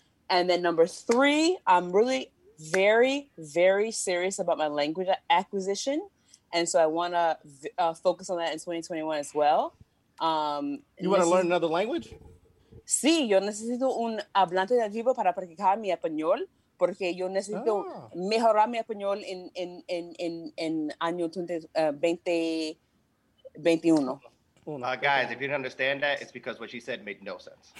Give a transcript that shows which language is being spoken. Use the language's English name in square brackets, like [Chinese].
[English] And then number three, I'm really very, very serious about my language acquisition. And so I want to focus on that in 2021 as well. You want to learn another language? [Spanish] Sí, yo necesito un hablante nativo para practicar mi español, porque yo necesito mejorar mi español en año 2021. [English] Guys, if you didn't understand that, it's because what she said made no sense.